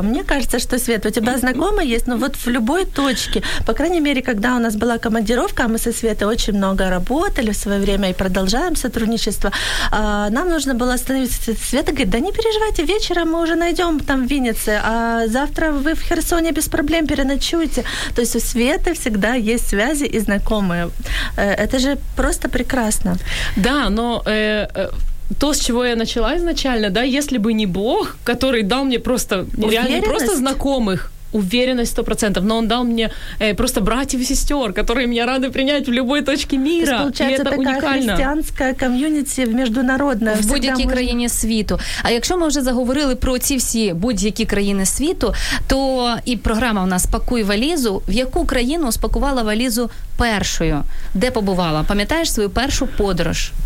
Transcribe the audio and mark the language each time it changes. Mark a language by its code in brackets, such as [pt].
[uk] Мені кажется, що Свет, у тебе знайомий є, ну, от в любой точці. По крайней мере, коли у нас була командировка, ми зі Светой дуже багато працювали в своє время і продовжуємо сотрудничество, нам нужно було остановитися. Света говорить, да не переживайте, вечером ми вже знайдемо там в Віннице, а завтра ви в Херсоні без проблем переночуєте. Чуете. [ru] То есть у Светы всегда есть связи и знакомые. Это же просто прекрасно. Да, но то, с чего я начала изначально, да, если бы не Бог, который дал мне просто, реально просто знакомых, уверенность 100%. Но он дал мне просто братьев и сестер, которые меня рады принять в любой точке мира. То есть, получается, и это такая уникально. [uk] Християнська ком'юніті міжнародна. В будь-якій можна... країні світу. А якщо ми вже заговорили про ці всі будь-які країни світу, то і програма у нас «Пакуй валізу». В яку країну спакувала валізу першою? Де побувала? Пам'ятаєш свою першу подорож?